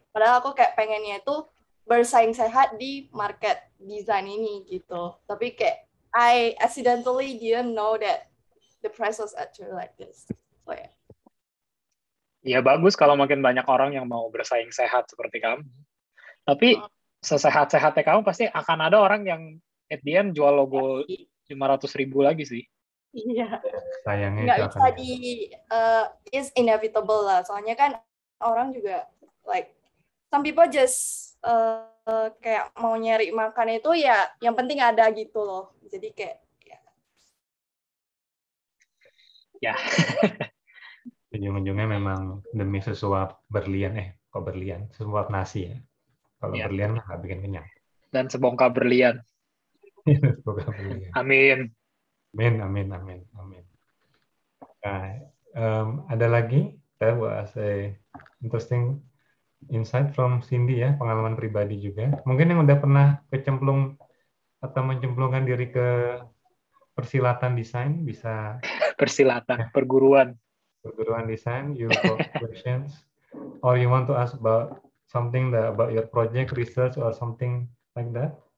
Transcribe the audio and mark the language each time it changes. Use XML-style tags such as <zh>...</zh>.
<id>Padahal aku kayak pengennya itu bersaing sehat di market design ini gitu. Tapi kayak</id> <en>I accidentally didn't know that the price was actually like this. So yeah.</en> <id>Ya bagus kalau makin banyak orang yang mau bersaing sehat seperti kamu. Tapi sesehat-sehatnya kamu pasti akan ada orang yang</id> <en>at the end</en> <id>jual logo 500 ribu lagi sih. Iya. Sayangnya. Nggak bisa akan... di</id> <en>is inevitable</en> <id>lah. Soalnya kan orang juga</id> <en>like some people just</en> <id>kayak mau nyari makan itu ya yang penting ada gitu loh. Jadi kayak ya.</id> <en>Yeah.</en> <id>Ujung-ujungnya memang demi sesuap berlian, kok berlian? Sesuap nasi ya. Kalau yeah. Berlian mah gak bikin kenyang. Dan sebongkah berlian. Sebongkah berlian. Amin. Amin, amin, amin, amin. Okay. Ada lagi?</id> <en>That was a interesting insight from Cindy</en> <id>ya, pengalaman pribadi juga. Mungkin yang udah pernah kecemplung atau mencemplungkan diri ke persilatan desain bisa. Persilatan, ya. Perguruan. Perguruan desain,</id> <en>you got questions, or you want to ask about something that about your project, research, or something like that?</en>